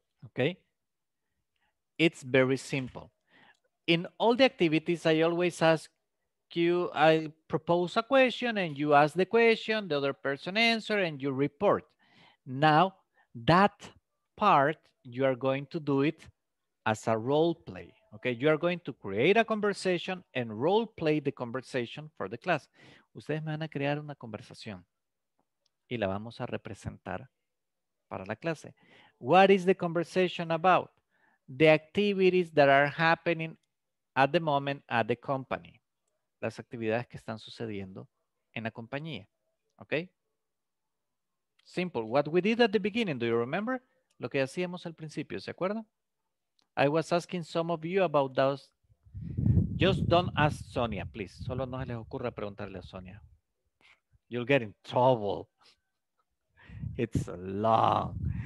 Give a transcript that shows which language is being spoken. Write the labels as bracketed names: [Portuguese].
[English] Okay, it's very simple. In all the activities, I always ask you, I propose a question and you ask the question, the other person answer and you report. Now, that part, you are going to do it as a role play. Okay, you are going to create a conversation and role play the conversation for the class. [Spanish] Ustedes me van a crear una conversación y la vamos a representar para la clase. [English] What is the conversation about? The activities that are happening at the moment at the company. [Spanish] Las actividades que están sucediendo en la compañía. [English] Okay? Simple. What we did at the beginning, do you remember? [Spanish] Lo que hacíamos al principio, ¿se acuerdan? [English] I was asking some of you about those. Just don't ask Sonia, please. [Spanish] Solo no se les ocurra preguntarle a Sonia. [English] You'll get in trouble. It's long.